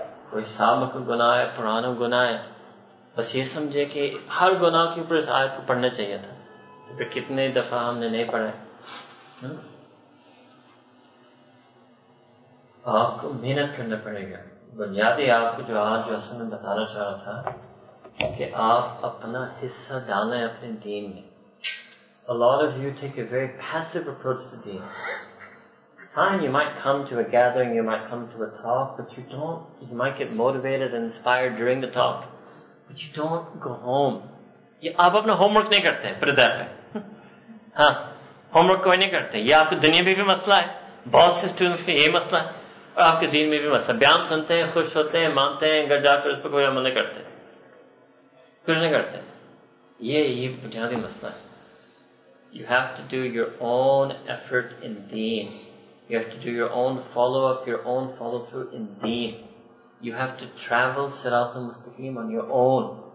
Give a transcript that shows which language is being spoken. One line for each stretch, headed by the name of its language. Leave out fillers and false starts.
Urdu: کوئی سابق گناہ ہے، پرانا گناہ ہے، بس یہ سمجھے کہ ہر گناہ کے اوپر اس آیت کو پڑھنا چاہیے تھا، تو پھر کتنے دفعہ ہم نے نہیں پڑھا. آپ کو محنت کرنا پڑے گا. بنیادی آپ کو جو آج جو اصل میں بتانا چاہ رہا تھا کہ آپ اپنا حصہ ڈالیں اپنے دین میں.
English: A lot of you take a very passive approach to deen. Fine, you might come to a gathering, you might come to a talk, but you don't, you might get motivated and inspired during the talk, but you don't go home.
Urdu: آپ اپنا home work نہیں کرتے پردے پہ، ہاں home work کوئی نہیں کرتے. یہ آپ کی دنیا میں بھی مسئلہ ہے، بہت سے اسٹوڈنٹس کا یہ مسئلہ ہے، اور آپ کے دین میں بھی مسئلہ. بیان سنتے ہیں، خوش ہوتے ہیں، مانتے ہیں، گھر جا کر اس پہ کوئی عمل نہیں کرتے، کچھ نہیں کرتے. یہ بنیادی مسئلہ ہے.
English: You have to do your own effort in deen. You have to do your own follow-up, your own follow-through in deen. You have to travel Sirat al-Mustaqim on your own.